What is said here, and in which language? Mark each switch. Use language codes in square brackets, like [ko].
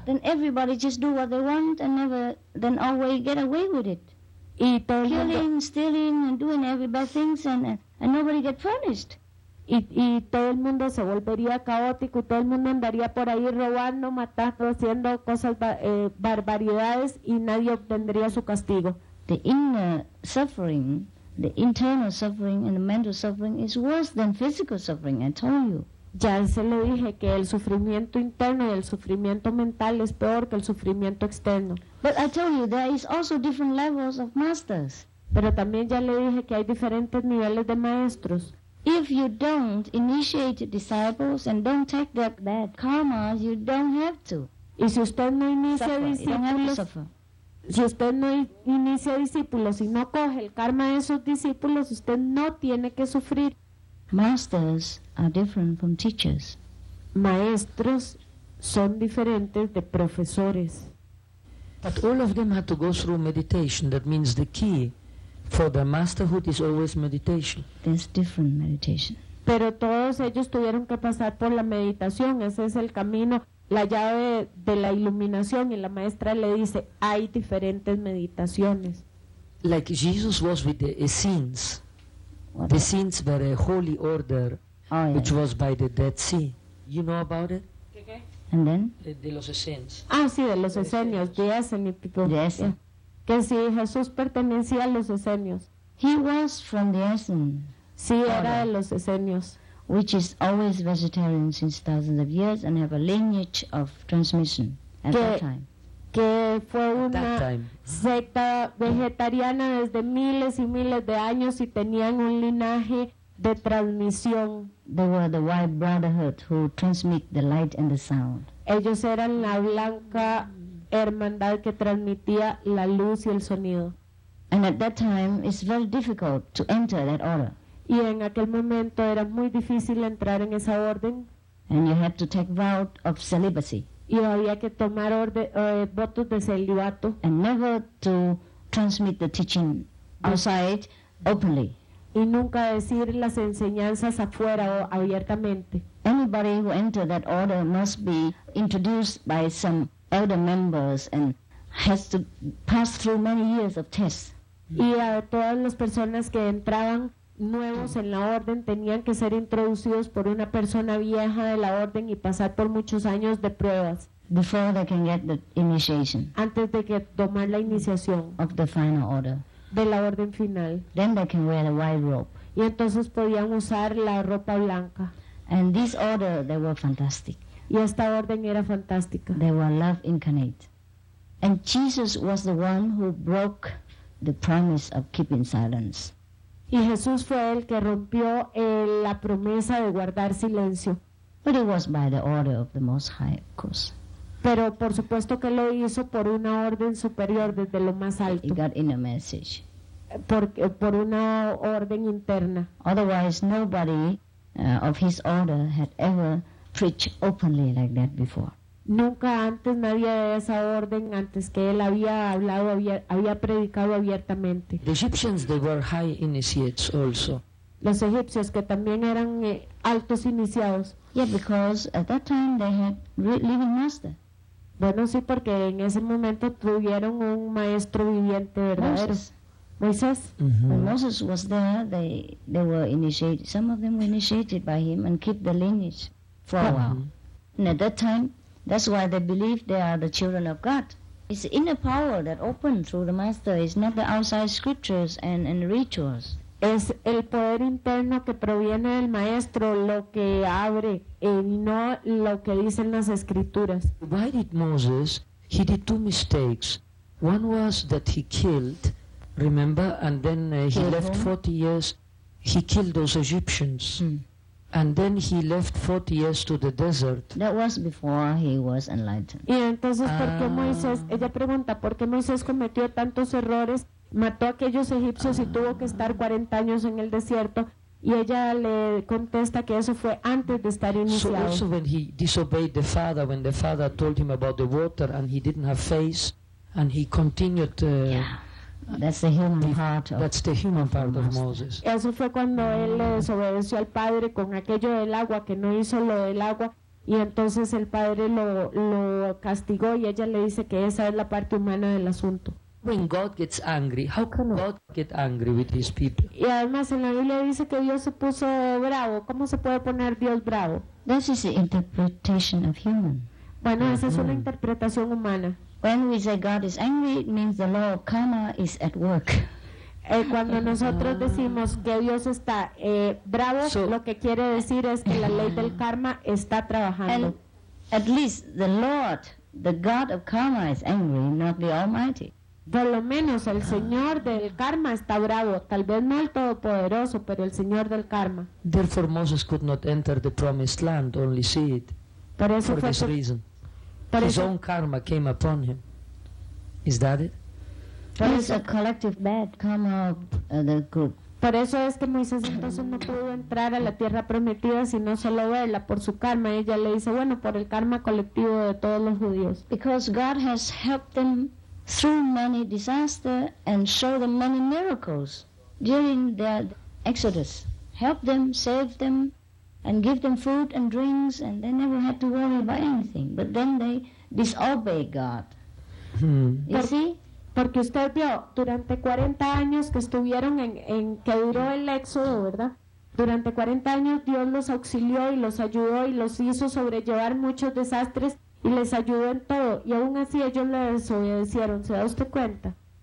[en] Then everybody just do what they want and then always get away with it. [es] Y todo el mundo, [en] killing, stealing, and doing every bad things, and nobody get punished. [es] Y todo el mundo se volvería caótico, y todo el mundo andaría por ahí robando, matando, haciendo cosas barbaridades, y nadie obtendría su castigo. [en] the inner suffering, the internal suffering and the mental suffering is worse than physical suffering, I told you. [es] Ya se lo dije que el sufrimiento interno y el sufrimiento mental es peor que el sufrimiento externo. [en] But I tell you, there is also different levels of masters. [es] Pero también ya le dije que hay diferentes niveles de maestros. [en] If you don't initiate disciples and don't take that karma, you don't have to. [es] Y si usted no inicia discípulos, si usted no inicia discípulos y no coge el karma de esos discípulos, usted no tiene que sufrir. [en] Masters are different from teachers. [es] Maestros son diferentes de profesores. [en] But all of them have to go through meditation. That means the key for the masterhood is always meditation. There's different meditation. [es] Pero todos ellos tuvieron que pasar por la meditación. Ese es el camino, la llave de la iluminación. Y la maestra le dice, hay diferentes meditaciones. [en] Like Jesus was with the Essenes. What the Essenes were a holy order, which was by the Dead Sea. You know about it? And then? [es] De los Essenes. Ah, sí, de los Essenes. [en] The Essenes people. The Essenes. [es] Que si Jesús pertenecía a los Esenios. [en] He was from the Essenes. [es] Sí, era de los Esenios. [en] Which is always vegetarian since thousands of years and have a lineage of transmission at [es] que, [en] that time. [es] Que fue una secta vegetariana desde miles y miles de años y tenían un linaje de transmisión. [en] They were the white brotherhood who transmit the light and the sound. [es] Ellos eran la blanca hermandad que transmitía la luz y el sonido. [en] And at that time, it's very difficult to enter that order. [es] Y en aquel momento era muy difícil entrar en esa orden. [en] And you had to take vow of celibacy. [es] Y había que tomar votos de celibato. [en] And never to transmit the teaching outside openly. [es] Y nunca decir las enseñanzas afuera o abiertamente. [en] Anybody who entered that order must be introduced by some elder members and has to pass through many years of tests. [es] Y a todas las personas que entraban nuevos en la orden tenían que ser introducidos por una persona vieja de la orden y pasar por muchos años de pruebas. [en] Before they can get the initiation. [es] Antes de que tomar la iniciación. [en] Of the final order. [es] De la orden final. [en] Then they can wear the white robe. [es] Y entonces podían usar la ropa blanca. [en] And this order, they were fantastic. [es] Y esta orden era fantástica. [en] They were love incarnate. And Jesus was the one who broke the promise of keeping silence. [es] Y Jesús fue el que rompió la promesa de guardar silencio. [en] But it was by the order of the Most High, of course. [es] Pero por supuesto que lo hizo por una orden superior desde lo más alto. [en] He got in a message. [es] Por una orden interna. [en] Otherwise, nobody of his order had ever preached openly like that before. [es] Nunca antes nadie de esa orden, antes que él había hablado, había predicado abiertamente. [en] The Egyptians, they were high initiates also. [es] Los egipcios que también eran altos iniciados. [en] Yeah, because at that time they had living master. [es] Bueno, sí, porque en ese momento tuvieron un maestro viviente, verdadero. Moisés. Mm-hmm. [en] When Moses was there, they were initiated. Some of them were initiated by him and kept the lineage for a while. And at that time, that's why they believe they are the children of God. It's the inner power that opens through the master. It's not the outside scriptures and rituals. [es] Es el poder interno que proviene del maestro lo que abre y no lo que dicen las escrituras. [en] Why did Moses? He did two mistakes. One was that he killed, remember, and then he left 40 years. He killed those Egyptians. Mm. And then he left 40 years to the desert. That was before he was enlightened. [es] Y entonces, ¿por qué Moisés? Ella pregunta, ¿por qué Moisés cometió tantos errores? Mató a aquellos egipcios y tuvo que estar 40 años en el desierto. Y ella le contesta que eso fue antes de estar iniciado. [en] So also when he disobeyed the father, when the father told him about the water and he didn't have faith, and he continued... That's the human part of Moses. [es] Eso fue cuando él le desobedeció al padre con aquello del agua, que no hizo lo del agua, y entonces el padre lo castigó y ella le dice que esa es la parte humana del asunto. [en] When God gets angry, how can God get angry with his people? [es] Y además en la Biblia dice que Dios se puso bravo. ¿Cómo se puede poner Dios bravo? [en] This is the interpretation of human. [es] Bueno, esa es una interpretación humana. [en] When we say God is angry, it means the law of karma is at work. [es] Cuando nosotros decimos que Dios está bravo, so, lo que quiere decir es que la ley del karma está trabajando. [en] And at least the Lord, the God of karma, is angry, not the Almighty. [es] Por lo menos el Señor del karma está bravo, tal vez no el Todopoderoso, pero el Señor del karma. [en] Therefore Moses could not enter the promised land, only see it. [es] Por eso [en] for this reason. Por his own karma came upon him. Is that it? But it's a collective bad karma of the group. [es] Por eso es que Moisés entonces no pudo entrar a la tierra prometida, sino solo verla por su karma. Ella le dice, bueno, por el karma colectivo de todos los judíos. [en] Because God has helped them through many disasters and showed them many miracles during their exodus. Helped them, saved them, and give them food and drinks, and they never had to worry about anything. But then they disobey God. Hmm. You see? [es] Porque usted vio, durante 40 años que estuvieron en que duró el éxodo, ¿verdad? Durante 40 años Dios los auxilió y los ayudó y los hizo sobrellevar muchos desastres y les ayudó en todo. Y aún así ellos le desobedecieron, ¿se da usted cuenta?